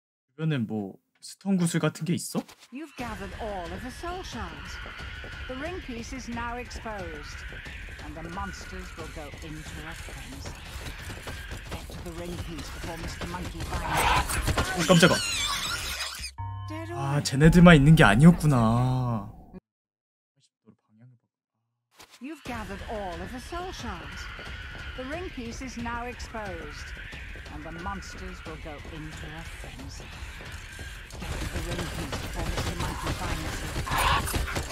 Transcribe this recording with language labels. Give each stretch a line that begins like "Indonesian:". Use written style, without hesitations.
Korean: 주변에 뭐 스턴 구슬 같은 게 있어?
English: You've gathered all of the soul shards. The ring piece is now exposed. And the monsters will go into our friends. Get to the ring piece before Mr. Monkey finds you.
Korean: 오, 깜짝아. 아, 쟤네들만 있는 게 아니었구나.
English: You've gathered all of the soul shards. The ring piece is now exposed. And the monsters will go into our friends. Get to the ring piece before Mr. Monkey finds you.